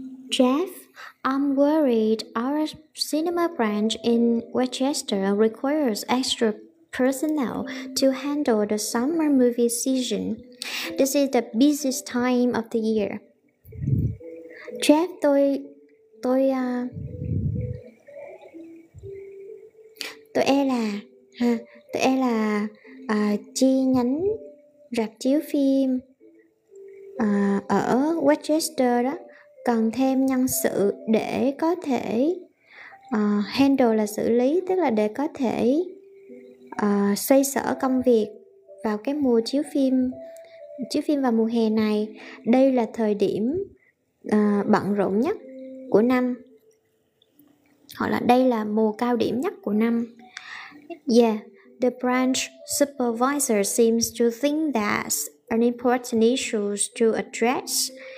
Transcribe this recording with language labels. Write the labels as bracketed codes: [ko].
[en] Jeff, I'm worried our cinema branch in Westchester requires extra personnel to handle the summer movie season. This is the busiest time of the year. [vi] Jeff, tôi e là chi nhánh rạp chiếu phim ở Westchester đó cần thêm nhân sự để có thể handle là xử lý, tức là để có thể xoay sở công việc vào cái mùa chiếu phim vào mùa hè này. Đây là thời điểm bận rộn nhất của năm, hoặc là đây là mùa cao điểm nhất của năm. [en] Yeah, the branch supervisor seems to think that's an important issue to address.